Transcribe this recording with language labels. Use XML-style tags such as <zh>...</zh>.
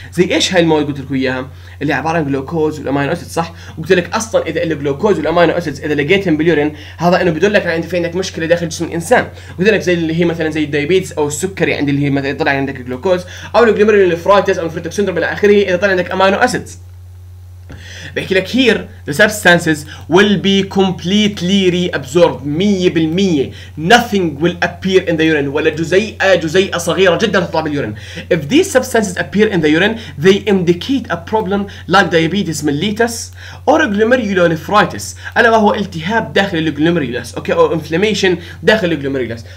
<ar>زي ايش هاي المواد قلت لكم اياها اللي عباره عن جلوكوز والامينو اسيد صح؟ وقلت لك اصلا اذا الجلوكوز والامينو اسيد اذا لقيتهم باليورين هذا انه بيدل لك على انت في عندك مشكله داخل جسم الانسان. قلت لك زي اللي هي مثلا زي الدايبيتس او السكري عند اللي هي مثلا طلع عندك جلوكوز او الجلوميرولي نفرايتس او الفريتوك سيندروم الى اخره اذا طلع عندك امينو اسيد. بحكي لك</ar> <en>here the substances will be completely reabsorbed 100%. Nothing will appear in the urine</en> <ar>ولا جزيئة صغيرة جدا تطلع باليورين.</ar> <en>If these substances appear in the urine they indicate a problem like diabetes mellitus or glomerulonephritis</en> <ar>ألا وهو التهاب داخل الجلوميرولس أوكي أو</ar> <en>inflammation</en> <ar>داخل الجلوميرولس.</ar>